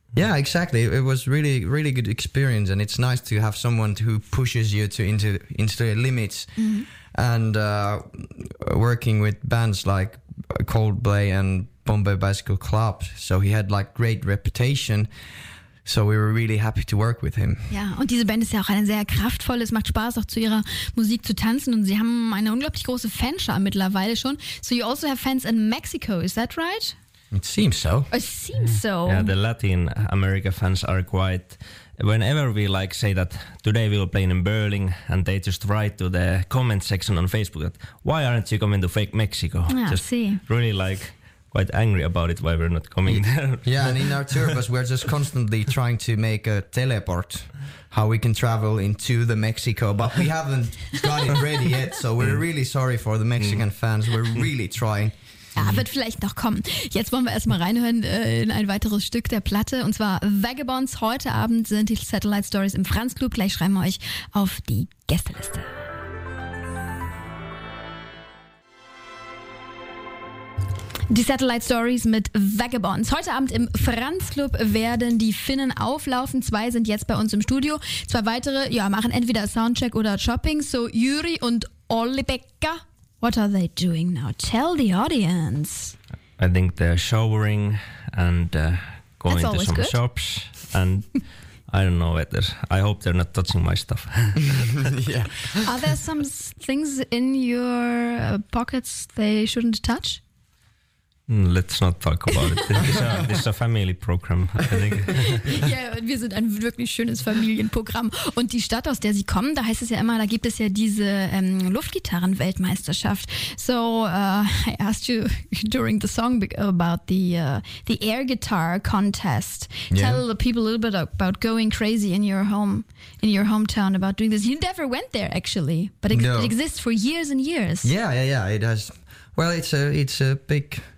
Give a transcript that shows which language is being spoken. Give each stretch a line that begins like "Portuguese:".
English: Yeah, exactly. It was really, really good experience. And it's nice to have someone who pushes you to into the limits. Mm-hmm. And working with bands like Coldplay and Bombay Bicycle Club. So he had like great reputation. So we were really happy to work with him.
German: Ja, und diese Band ist ja auch eine sehr kraftvolle. Es macht Spaß, auch zu ihrer Musik zu tanzen. Und sie haben eine unglaublich große Fanschar mittlerweile schon.
English: So you also have fans in Mexico, is that right? It seems so. Yeah, the Latin America fans are quite... Whenever we like say that today we will play in Berlin and they just write to the comment section on Facebook that why aren't you coming to fake Mexico? Yeah, just see. Really like... quite angry about it, why we're not coming there. Yeah, and in our tour bus, we're just constantly trying to make a teleport, how we can travel into the Mexico, but we haven't got it ready yet, so we're really sorry for the Mexican fans, we're really trying.
German: Ja, wird vielleicht noch kommen. Jetzt wollen wir erstmal reinhören in ein weiteres Stück der Platte, und zwar Vagabonds. Heute Abend sind die Satellite Stories im Franz Club. Gleich schreiben wir euch auf die Gästeliste. Die Satellite Stories mit Vagabonds. Heute Abend im Franz Club werden die Finnen auflaufen. Zwei sind jetzt bei uns im Studio. Zwei weitere, ja, machen entweder Soundcheck oder Shopping.
English: So, Jüri
German: und
English: Olli-Pekka, what are they doing now? Tell the audience. I think they're showering and going That's to some good. Shops. And I don't know whether. I hope they're not touching my stuff. Yeah. Are there some things in your pockets they shouldn't touch? Let's not talk about it. This is a family program, I think.
German: Ja, yeah, wir sind ein wirklich schönes Familienprogramm. Und die Stadt, aus der sie kommen, da heißt es ja immer, da gibt es ja diese Luftgitarren-Weltmeisterschaft.
English: So, I asked you during the song about the air guitar contest. Tell the people a little bit about going crazy in your home, in your hometown, about doing this. You never went there, actually. But it exists for years and years. Yeah. It has. Well, it's a big...